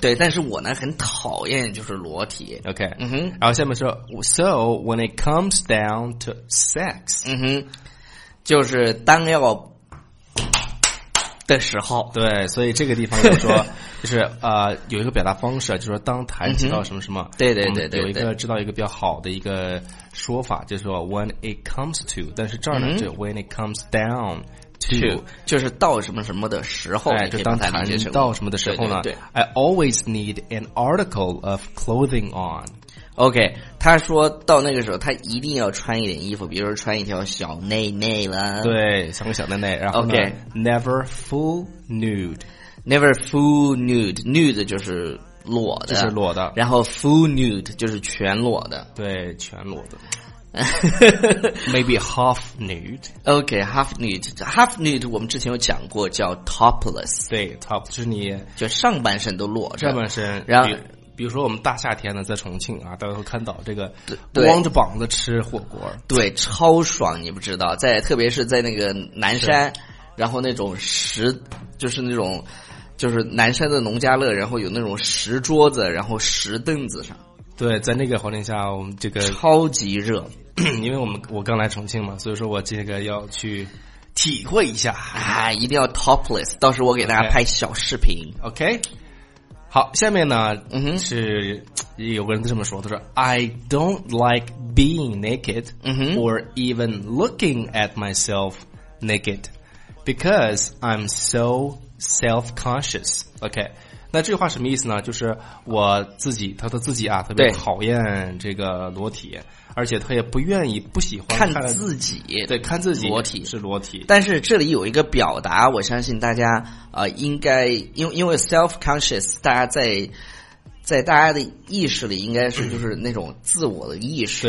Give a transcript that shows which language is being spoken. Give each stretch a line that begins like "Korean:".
Chinese: 对，但是我呢很讨厌就是裸体。
English: OK，嗯哼。
Chinese: 然后下面说
English: ，So when it comes down to sex，
Chinese: 嗯哼，就是当要的时候。对，所以这个地方就说，就是有一个表达方式，就是说当谈及到什么什么，嗯、对，有一个知道一个比较好的一个。说法就是说
English: when it comes to，
Chinese: 但是这儿呢、就
English: when it comes down to，
Chinese: 就是到什么什么的时候，哎，就当谈到什么的时候呢，对对对，
English: I always need an article of clothing on。
Chinese: OK， 他说到那个时候他一定要穿一点衣服，比如说穿一条小内内了，对，像个小内内，然后呢、
English: okay. never full nude， never full nude， nude
Chinese: 就是裸的，就是裸的，然后 full nude 就是全裸的，对，全裸的。
English: Maybe half nude. OK, half nude.
Chinese: Half nude 我们之前有讲过叫 topless. 对， topless 就是你就上半身都裸着，上半身，然后比如说我们大夏天呢在重庆啊，大家会看到这个光着膀子吃火锅，对，超爽，你不知道，在特别是在那个南山，然后那种石，就是那种就是南山的农家乐，然后有那种石桌子，然后石凳子上。对，在那个环境下，我们这个超级热，因为我刚来重庆嘛，所以说我这个要去体会一下啊，一定要 topless， 到时候我给大家拍小视频。 Okay. OK， 好，下面呢，嗯哼，是有个人这么说，他说
English: ：“I don't like being naked、or even looking at myself naked because I'm so。”
Chinese: self-conscious， OK， 那这句话什么意思呢？就是我自己，他自己啊，特别讨厌这个裸体，而且他也不愿意，不喜欢看自己，对，看自己裸体是裸体。但是这里有一个表达，我相信大家应该因为 self-conscious， 大家在大家的意识里应该是就是那种自我的意识，